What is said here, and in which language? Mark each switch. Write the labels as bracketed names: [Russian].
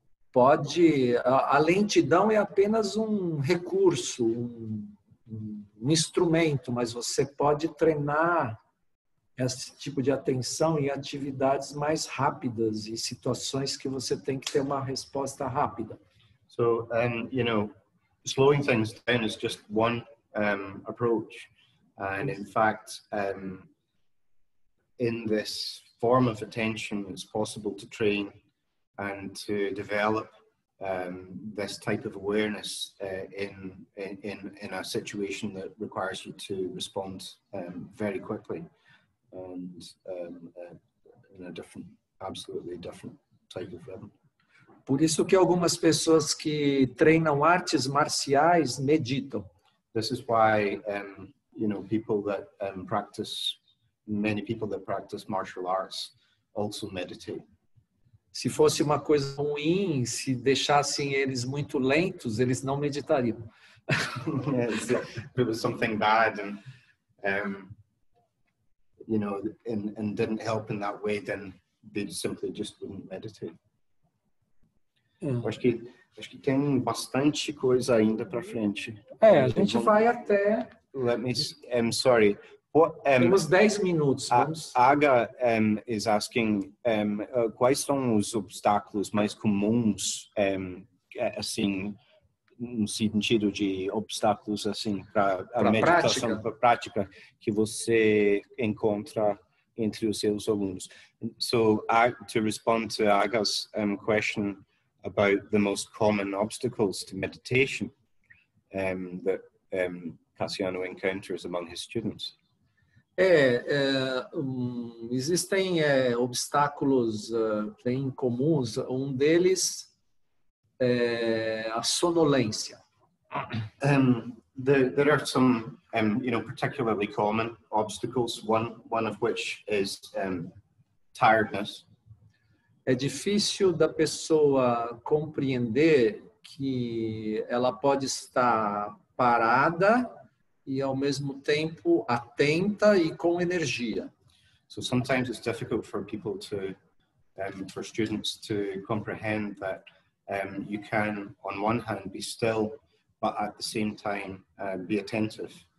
[Portuguese] pode, a lentidão é apenas recurso, um instrumento, mas você pode treinar esse tipo de atenção em atividades mais rápidas e situações que você tem que ter uma resposta rápida. [English] So, you know, slowing things down is just one approach. And in fact, in this form of attention, it's possible to train and to develop this type of awareness in a situation that requires you to respond very quickly and in a different, absolutely different type of rhythm. [Portuguese] Por isso que algumas pessoas que treinam artes marciais meditam. [English] This is why people that practice, many people that practice martial arts also meditate. [Portuguese] Se fosse uma coisa ruim, se deixassem eles muito lentos, eles não meditariam. [English] Yes, if it was something bad and and didn't help in that way, then they simply just wouldn't meditate. [Portuguese] Acho que tem bastante coisa ainda para frente. A gente vai até. [English] Let me. I'm sorry. [Portuguese] Temos 10 minutos. [English] Aga is asking [Portuguese] quais são os obstáculos mais comuns, assim, no sentido de obstáculos assim para a meditação, para a prática, que você encontra entre os seus alunos. [English] So, to respond to Aga's question about the most common obstacles to meditation that Cassiano encounters among his students. [Portuguese] Existem obstáculos bem comuns. Um deles é a sonolência. [English] There are some, you know, particularly common obstacles. One of which is tiredness. [Portuguese] É difícil da pessoa compreender que ela pode estar parada e ao mesmo tempo atenta e com energia. [English] So sometimes it's difficult for people to, for students to comprehend that you can, on one hand, be still, but at the same time be attentive.